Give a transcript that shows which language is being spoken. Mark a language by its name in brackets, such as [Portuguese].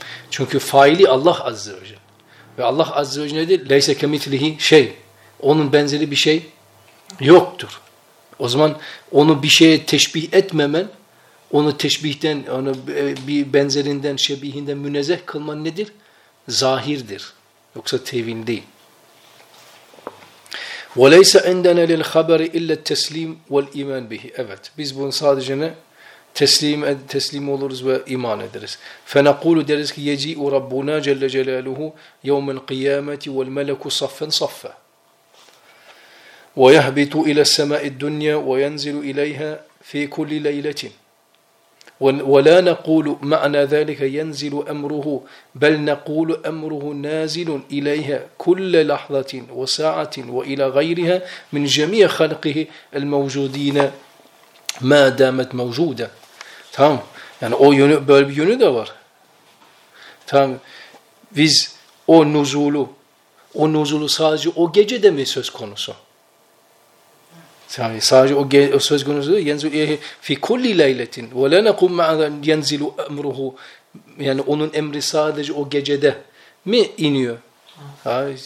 [Turkish] Çünkü faili Allah Azze ve Celle. Ve Allah Azze ve Celle nedir? [Arabic] Leyse kemitlihi şey. [Turkish] Onun benzeri bir şey yoktur. O zaman onu bir şeye teşbih etmemen, onu teşbihten, onu bir benzerinden, şebihinden münezzeh kılman nedir? Zahirdir. Yoksa tevil değil. [Arabic] وَلَيْسَ عِنْدَنَا لِلْخَبَرِ اِلَّا التَّسْلِيمِ وَالْاِيمَانِ بِهِ [Turkish] Evet, biz bunu sadece ne? Teslim oluruz ve iman ederiz. [Arabic] فَنَقُولُ [Turkish] deriz ki [Arabic] يَجِئُ رَبُّنَا جَلَّ جَلَالُهُ يَوْمَ الْقِيَامَةِ وَالْمَلَكُ صَفًّا صَفًّا وَيَهْبِتُ إِلَى السَّمَاءِ الدُّنْيَا وَيَنْزِلُ إِلَيْهَا فِي كُلِّ لَيْلَةٍ ولا نقول معنى ذلك ينزل أمره بل نقول أمره نازل إليها كل لحظة وساعة وإلى غيرها من جميع خلقه الموجودين ما دامت موجودة. تمام؟ يعني [Turkish] o yönü böyle bir yönü de var. Tamam. Biz o nuzulu, o nuzulu sadece o gece de mi söz konusu? Yani sadece o, o söz konusu [Arabic] yenzil fi kulli leyletin ve la nakum ma'an yenzilu emruhu, [Turkish] yani onun emri sadece o gecede mi iniyor? Hayır.